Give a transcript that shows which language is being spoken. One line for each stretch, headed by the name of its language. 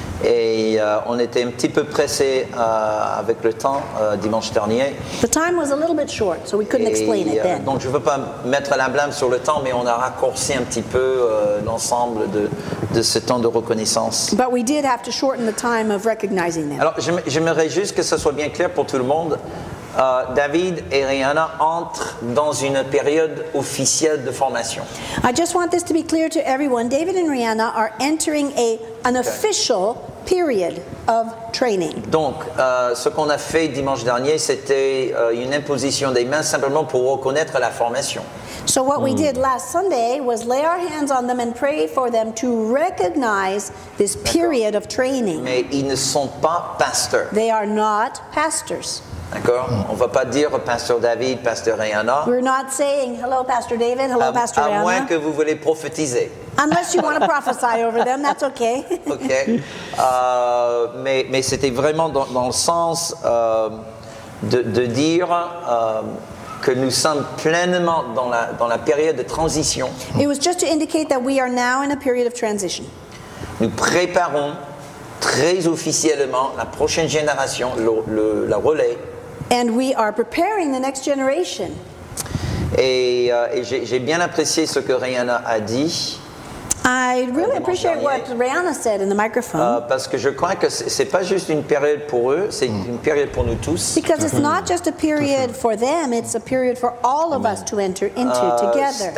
French: Et on était un petit peu pressé avec le temps dimanche dernier.
English: The time was a little bit short, so we couldn't explain it then.
French: Donc, je ne veux pas mettre la blâme sur le temps, mais on a raccourci un petit peu l'ensemble de ce temps de reconnaissance.
English: But we did have to shorten the time of recognizing them.
French: Alors, j'aimerais juste que ce soit bien clair pour tout le monde. David et Rihanna entrent dans une période officielle de formation.
English: I just want this to be clear to everyone. David and Rihanna are entering an official period of training.
French: Donc, ce qu'on a fait dimanche dernier, c'était une imposition des mains simplement pour reconnaître la formation.
English: So what we did last Sunday was lay our hands on them and pray for them to recognize this period of training.
French: Mais ils ne sont pas pasteurs.
English: They are not pastors.
French: D'accord. On ne va pas dire Pasteur David, Pasteur Rihanna.
English: We're not saying hello, Pasteur David, hello, Pasteur Rihanna.
French: À moins que vous voulez prophétiser.
English: Unless you want to prophesy over them, that's okay. Okay.
French: Mais c'était vraiment dans le sens de dire que nous sommes pleinement dans la période de transition.
English: It was just to indicate that we are now in a period of transition.
French: Nous préparons très officiellement la prochaine génération, la relais.
English: And we are preparing the next generation.
French: Et j'ai bien apprécié ce que Rihanna a dit.
English: I really appreciate what Rihanna said in the microphone.
French: Parce que je crois que c'est pas juste une période pour eux, c'est une période pour nous tous.
English: Because it's not just a period for them, it's a period for all of us to enter into together.